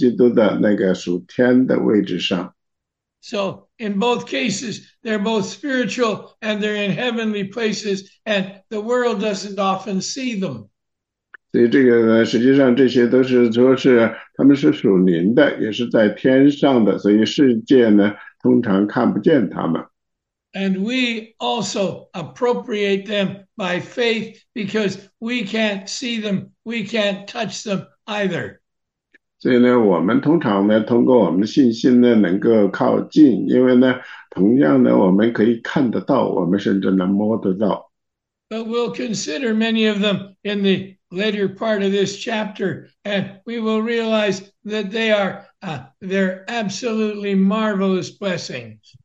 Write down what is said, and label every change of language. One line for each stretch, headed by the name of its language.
Chinese: 所以呢，他这些的事是属灵的福分，他们的位置呢是在主耶稣基督的那个属天的位置上。
English: So, in both cases, they're both spiritual and they're in heavenly places, and the world doesn't often see them.
Chinese: 所以这个呢，实际上这些都是说是他们是属灵的，也是在天上的，所以世界呢通常看不见他们。
English: And we also appropriate them by faith because we can't see them, we can't touch them either.
Chinese: 所以呢，我们通常呢，通过我们信心呢，能够靠近，因为呢，同样呢，我们可以看得到，我们甚至能摸得到。
English: But we'll consider many of them in the later part of this chapter, and we will realize that they're absolutely marvelous blessings.